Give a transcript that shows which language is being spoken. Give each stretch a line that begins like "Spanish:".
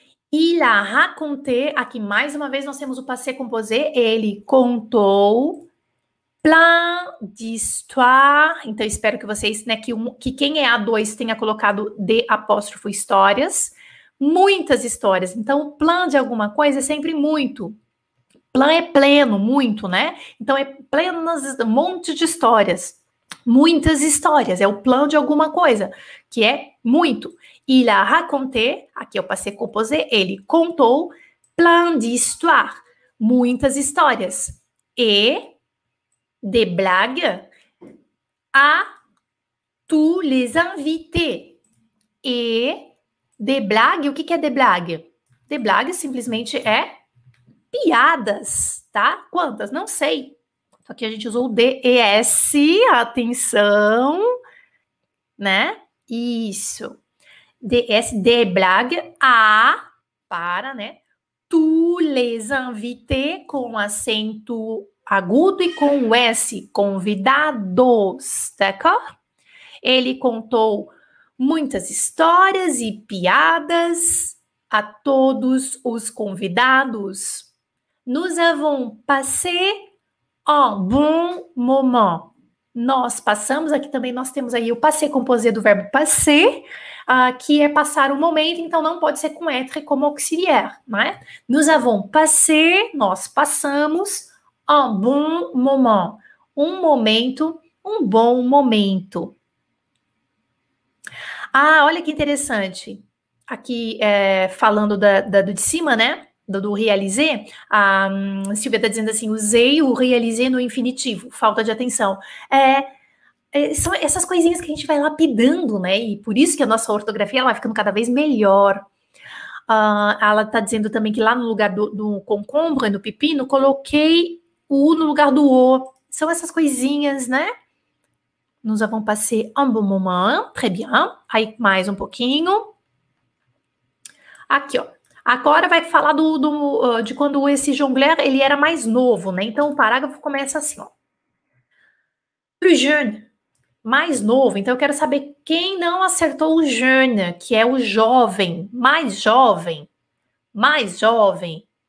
French: Il a raconté,
Portuguese: aqui mais uma vez nós temos o passé composé, ele contou
French: plein d'histoires,
Portuguese: então espero que vocês, né, que quem é A2 tenha colocado de apóstrofo histórias, muitas histórias, então o plein de alguma coisa é sempre muito, plein é pleno, muito, né, então é plenas, um monte de histórias, muitas histórias, é o plein de alguma coisa, que é muito.
French: Il a raconté,
Portuguese: aqui é o passé composé, ele contou
French: plein d'histoires,
Portuguese: muitas histórias.
French: E, de blagues, à tous les invités. E, Des blagues,
Portuguese: o que que é des blagues? Des blagues simplesmente é piadas, tá? Quantas? Não sei. Só que a gente usou o des, atenção, né? Isso. Des,
French: des blagues,
Portuguese: a, para, né?
French: Tu les invités,
Portuguese: com acento agudo e com o S, convidados, d'accord? Ele contou muitas histórias e piadas a todos os convidados.
French: Nous avons passé un bon moment.
Portuguese: Nós passamos, aqui também nós temos aí o passé composé do verbo passer, que é passar o momento, então não pode ser com être como auxiliaire, né?
French: Nous avons passé,
Portuguese: nós passamos,
French: un bon moment.
Portuguese: Um momento, um bom momento. Ah, olha que interessante. Aqui, falando do de cima, né? Do realizar, a Silvia está dizendo assim, usei o realizar no infinitivo, falta de atenção. São essas coisinhas que a gente vai lapidando, né? E por isso que a nossa ortografia ela vai ficando cada vez melhor. Ela está dizendo também que lá no lugar do concombre, no pepino, coloquei o U no lugar do O. São essas coisinhas, né?
French: Nous avons passé un bon moment, très bien.
Portuguese: Aí mais um pouquinho. Aqui, ó. Agora vai falar de quando esse jongleur ele era mais novo, né? Então o parágrafo começa assim, ó.
French: Plus jeune,
Portuguese: mais novo. Então eu quero saber quem não acertou o jeune, que é o jovem, mais jovem, mais jovem.